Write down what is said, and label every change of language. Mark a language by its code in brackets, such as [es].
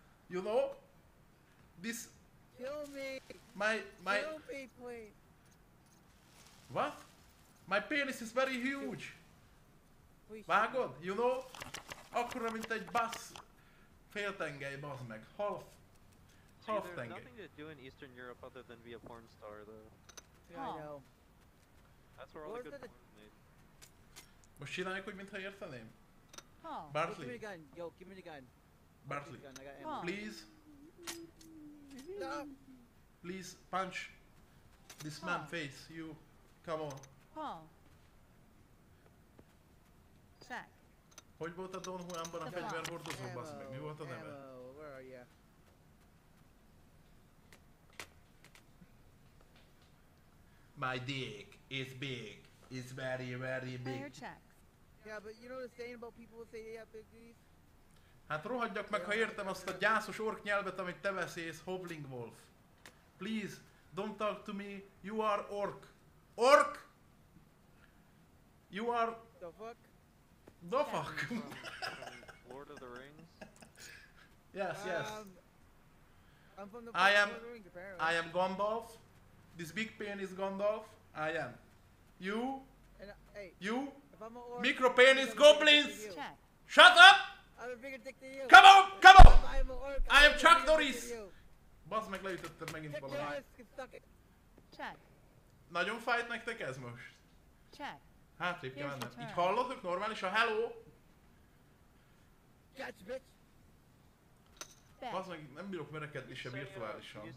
[en] You know this. Kill me. My kill me, please. What? My penis is very huge. My God, you know? [hu] Akkora, mint egy bassz féltengely, bazd meg. [en] Half see, [hu] tengely. [en] There's nothing to do in Eastern Europe other than be a porn star, though. Yeah, oh. I know. That's where all the good porn is made. [hu] Most csináljuk, hogy mintha érteném? [en] Huh. Bartley. Give me the gun. Yo, give me the gun. Bartley. Please. No. Please punch this man face. You. Come on. Paul. Check. [hu] Hogy volt a Don Juanban a fegyver hordozó, bassz meg? Mi volt a neve? [en] Ammo, where are ya? My dick is big. It's very, very big. Player checks. Yeah, but you know the saying about people who say they have big dicks? [hu] Hát rohadjak meg, ha értem azt a gyászos ork nyelvet, amit te beszélsz, Hobbling Wolf. [en] Please, don't talk to me. You are ork. Ork! You are... The fuck? The fuck? Lord of the Rings? Yes, yes. I'm from the Lord of the Rings, apparently. I am Gandalf. This big penis Gandalf. I am. You? And, hey, you? If I'm an orc, micro penis goblins! Check. Shut up! I'm a bigger dick than you. Come on! If I'm an orc, I am Chuck Norris! [hu] Bazd meg, leütötted megint valamit. [en] Check. [hu] Nagyon fájt nektek ez most? [en] Check. [hu] Hát, lépj el nem. Így hallottok normális a hello? [en] Catch, bitch! [hu] Bazd meg, nem bírok merekedni se virtuálisan.